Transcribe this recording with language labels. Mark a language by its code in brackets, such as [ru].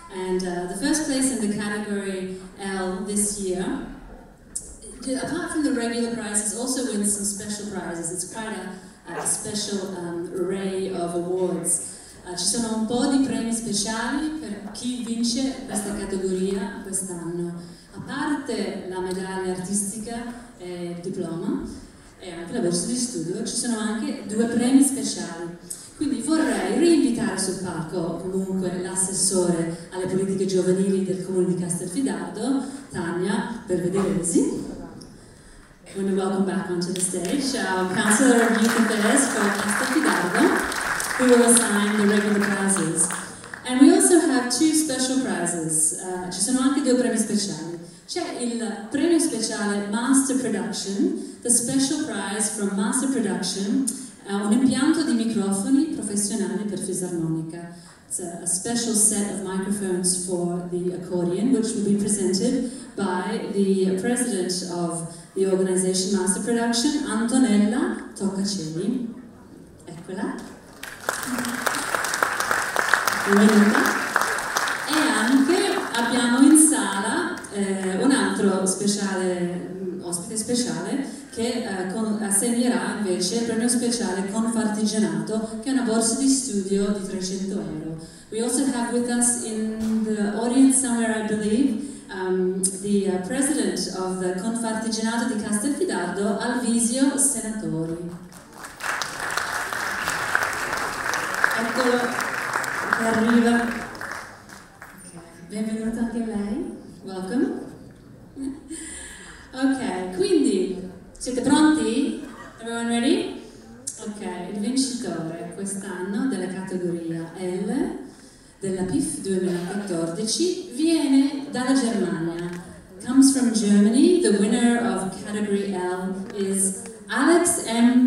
[en] And the first place in the category L this year, apart from the regular prizes, also wins some special prizes. It's quite a special array of awards. [it] Ci sono un po' di premi speciali per chi vince questa categoria quest'anno. A parte la medaglia artistica e il diploma e anche la borsa di studio, ci sono anche due premi speciali. Quindi vorrei rinvitare sul palco comunque l'assessore alle politiche giovanili del Comune di Castelfidardo, Tania Belvedevesi. [en] And welcome back onto the stage, Councillor of Youth Affairs for Castelfidardo, who will assign the regular prizes. And we also have two special prizes. [it] Ci sono anche due premi speciali. C'è il premio speciale Master Production, [en] the special prize from Master Production, [it] un impianto di microfoni professionali per fisarmonica. [en] It's a special set of microphones for the accordion, which will be presented by the president of the organization Master Production, Antonella Toccacelli. [it] Eccola. E anche abbiamo in sala un altro speciale, ospite speciale, che assegnerà invece il premio speciale Confartigianato, che è una borsa di studio di 300 euro. [en] We also have with us in the audience somewhere, I believe, the president of the Confartigianato di Castelfidardo, Alvisio Senatori. [it] Ecco che arriva. Benvenuta anche lei. [en] Welcome. [it] Ok, quindi siete pronti? [en] Everyone ready? [it] Ok, il vincitore quest'anno della categoria L della PIF 2014 viene dalla Germania. [en] Comes from Germany. The winner of category L is Alex M.